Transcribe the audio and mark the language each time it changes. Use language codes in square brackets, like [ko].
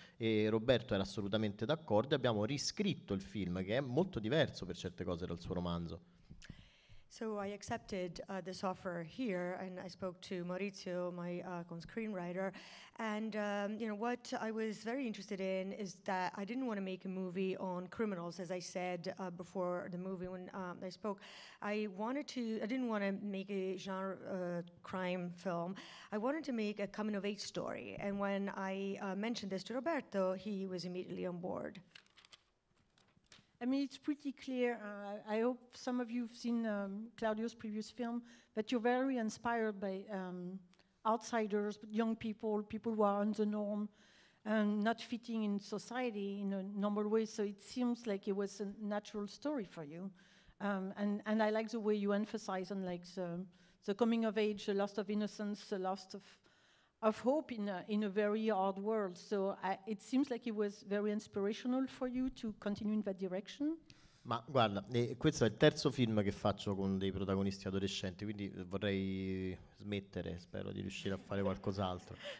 [it] E Roberto era assolutamente d'accordo e abbiamo riscritto il film, che è molto diverso per certe cose dal suo romanzo. [en] So I accepted this offer here, and I spoke to Maurizio, my co-screenwriter, and you know what I was very interested in is that I didn't want to make a movie on criminals, as I said before the movie when I spoke. I didn't want to make a genre crime film. I wanted to make a coming-of-age story, and when I mentioned this to Roberto, he was immediately on board. I mean, it's pretty clear. I hope some of you have seen Claudio's previous film, that you're very inspired by outsiders, young people, people who are on the norm, and not fitting in society in a normal way. So it seems like it was a natural story for you. And I like the way you emphasize on like the coming of age, the loss of innocence, the loss of hope in a very hard world. So it seems like it was very inspirational for you to continue in that direction. [it] Ma guarda, questo è il terzo film che faccio con dei protagonisti adolescenti, quindi vorrei smettere, spero di riuscire a fare qualcos'altro.